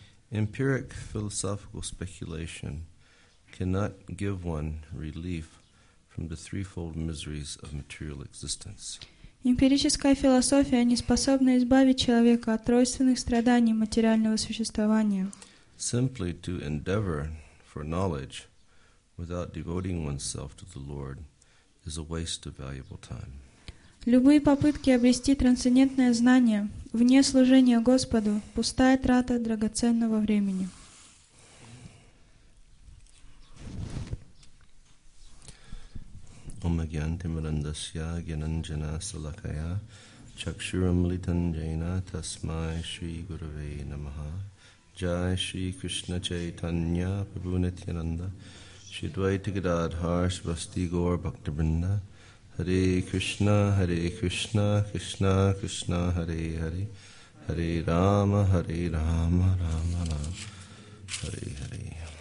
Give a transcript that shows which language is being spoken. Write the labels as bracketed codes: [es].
[en] Empiric philosophical speculation cannot give one relief from the threefold miseries of material existence. [ru] Эмпирическая философия не способна избавить человека от тройственных страданий материального существования. [en] Simply to endeavor for knowledge without devoting oneself to the Lord is a waste of valuable time. [ru] Любые попытки обрести трансцендентное знание вне служения Господу – пустая трата драгоценного времени. [sa] Омагьянти мрандасья гьянанджана салакая чакшурам литанджайна тасмай шри гураве намаха джай шри кришна чайтанья прабху нитьянанда шидвайта гададхар шивасти гор бхактивринда Hare Krishna, Hare Krishna, Krishna Krishna, Hare Hare, Hare Rama, Hare Rama, Rama Rama, Hare Hare.